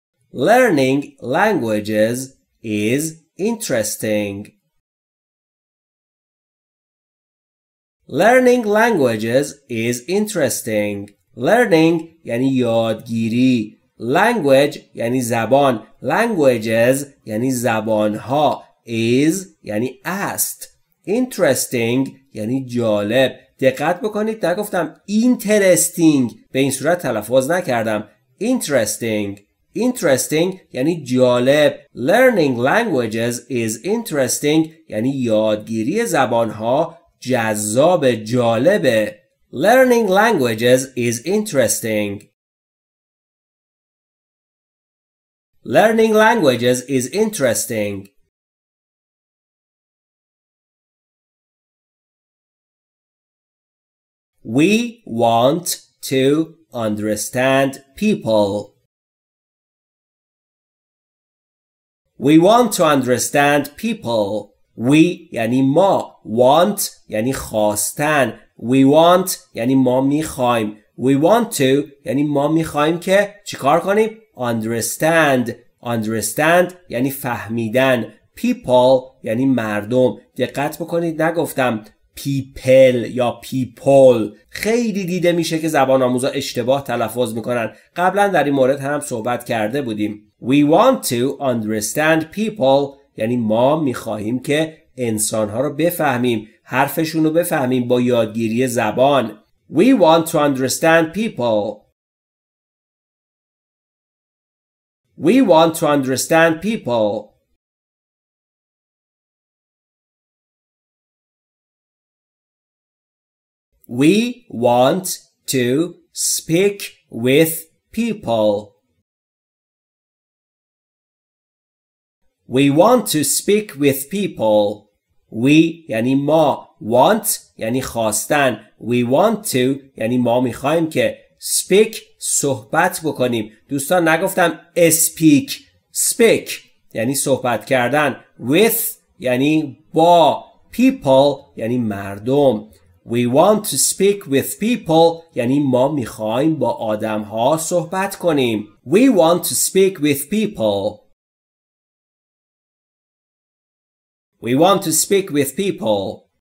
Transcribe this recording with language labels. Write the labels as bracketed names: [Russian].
[English] Learning languages is interesting. Learning languages is interesting. [Persian] Learning یعنی یادگیری. Language یعنی زبان. Languages یعنی زبانها. Is یعنی است. Interesting یعنی جالب. دقت بکنید نگفتم interesting. به این صورت تلفظ نکردم. Interesting. Interesting یعنی جالب. [English] Learning languages is interesting [Persian] یعنی یادگیری زبانها جذاب جالبه. [English] Learning languages is interesting. Learning languages is interesting. We want to understand people. We want to understand people. [Persian] We یعنی ما. Want یعنی خواستن. [English] We want [Persian] یعنی ما میخوایم. [English] We want to [Persian] یعنی ما میخوایم که چیکار کنیم؟ Understand. Understand یعنی فهمیدن. People یعنی مردم. دقت بکنید نگفتم people یا people. خیلی دیده میشه که زبان آموزا اشتباه تلفظ میکنن. قبلا در این مورد هم صحبت کرده بودیم. [English] We want to understand people [Persian] یعنی ما میخواهیم که انسانها رو بفهمیم، حرفشون رو بفهمیم با یادگیری زبان. [English] We want to understand people. We want to understand people. We want to speak with people. We want to speak with people. [Persian] We یعنی ما. Want یعنی خواستن. [English] We want to [Persian] یعنی ما میخواییم که speak صحبت بکنیم. دوستان نگفتم speak. Speak یعنی صحبت کردن. With یعنی با. People یعنی مردم. [English] We want to speak with people [Persian] یعنی ما میخواییم با آدم ها صحبت کنیم. [English] We want to speak with people. We want to speak with people.